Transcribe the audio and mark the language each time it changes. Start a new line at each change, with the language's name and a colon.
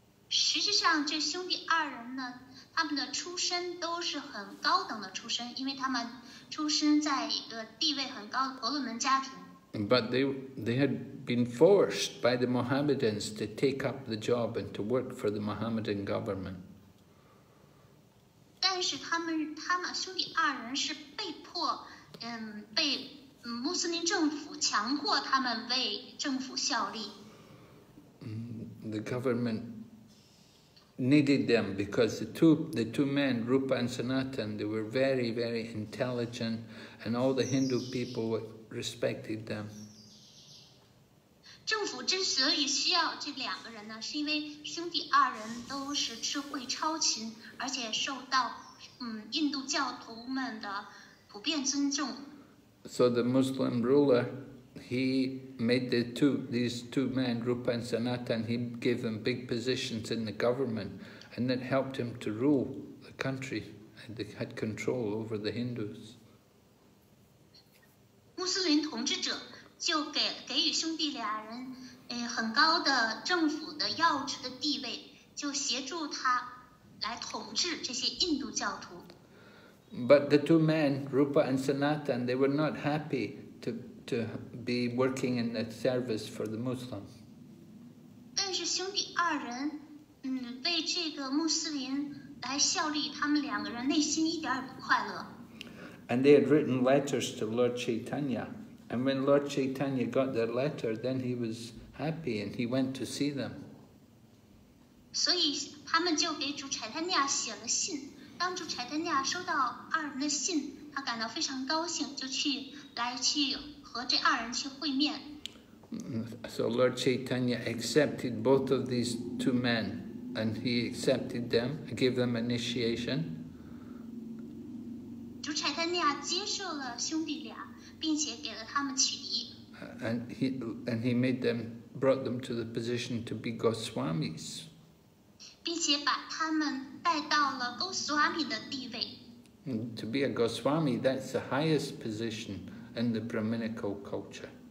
English: But they had been forced by the Mohammedans to take up the job and to work for the Mohammedan government.
Chinese: 但是他们兄弟二人是被迫，被穆斯林政府强迫他们为政府效力。The
English: government needed them because the two men, Rupa and Sanatan, they were very, very intelligent, and all the Hindu people respected them.
Chinese: 政府之所以需要这两个人呢，是因为兄弟二人都是智慧超群，而且受到印度教徒们的普遍尊重。
English: So the Muslim ruler, he made these two men, Rupa and Sanatan, he gave them big positions in the government, and that helped him to rule the country, and they had control over the Hindus.
Chinese: 穆斯林统治者就给予兄弟俩人很高的政府的要职的地位，就协助他来统治这些印度教徒。
English: But the two men, Rupa and Sanatan, they were not happy to be working in the service for the Muslim.
Chinese: 但是兄弟二人为这个穆斯林来效力，他们两个人内心一点也不快乐。
English: And they had written letters to Lord Chaitanya. And when Lord Chaitanya got their letter, then he was happy and he went to see them.
Chinese: 所以他们就给主柴丹尼亚写了信。当主柴丹尼亚收到二人的信，他感到非常高兴，就去和这二人去会面。
English: So Lord Chaitanya accepted both of these two men, and he accepted them, gave them initiation.
Chinese: 主柴丹尼亚接受了兄弟俩，并且给了他们启迪。
English: And he made them, brought them to the position to be Goswamis.
Chinese: 并且把他们带到了 Goswami 的地位。
English: To be a Goswami, that's the highest position in the Brahminical culture.